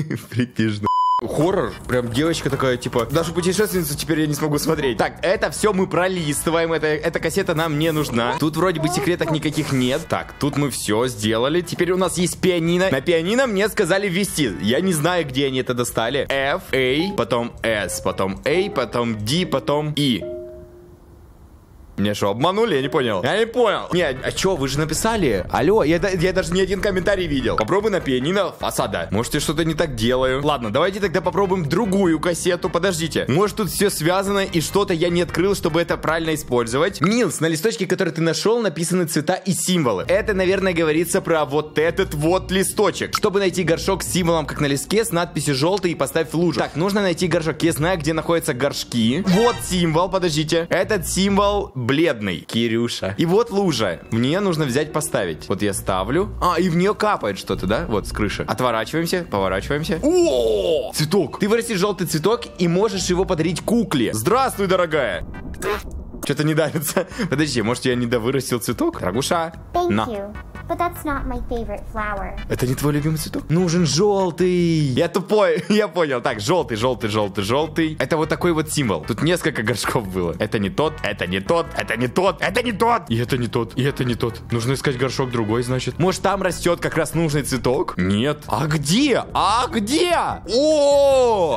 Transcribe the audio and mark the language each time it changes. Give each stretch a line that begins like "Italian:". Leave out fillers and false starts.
Russian: Припишь, хоррор. Прям девочка такая, типа, даже путешественницу теперь я не смогу смотреть. Так, это все мы пролистываем. Эта кассета нам не нужна. Тут вроде бы секреток никаких нет. Так, тут мы все сделали. Теперь у нас есть пианино. На пианино мне сказали ввести. Я не знаю, где они это достали. F, A, потом S, потом A, потом D, потом E. Меня что, обманули? Я не понял. Я не понял. Нет, а что, вы же написали? Алло, я даже не один комментарий видел. Попробуй на пианино фасада. Может, я что-то не так делаю. Ладно, давайте тогда попробуем другую кассету. Подождите. Может, тут все связано и что-то я не открыл, чтобы это правильно использовать. Милс, на листочке, который ты нашел, написаны цвета и символы. Это, наверное, говорится про вот этот вот листочек. Чтобы найти горшок с символом, как на листке, с надписью желтый и поставь в лужу. Так, нужно найти горшок. Я знаю, где находятся горшки. Вот символ, подождите. Этот символ... бледный. Кирюша. И вот лужа. Мне нужно взять поставить. Вот я ставлю. А, и в нее капает что-то, да? Вот с крыши. Отворачиваемся, поворачиваемся. О! Цветок. Ты вырастешь желтый цветок и можешь его подарить кукле. Здравствуй, дорогая. Что-то не давится. Подожди, может, я недовырастил цветок? Дорогуша. На.
English: But that's not my favorite flower.
Russian: Это не твой любимый цветок? Нужен желтый. Я тупой, я понял. Так, желтый, желтый, желтый, желтый. Это вот такой вот символ. Тут несколько горшков было. Это не тот, это не тот, это не тот, это не тот. И это не тот, и это не тот. Нужно искать горшок другой, значит. Может, там растет как раз нужный цветок? Нет. А где? А где? О!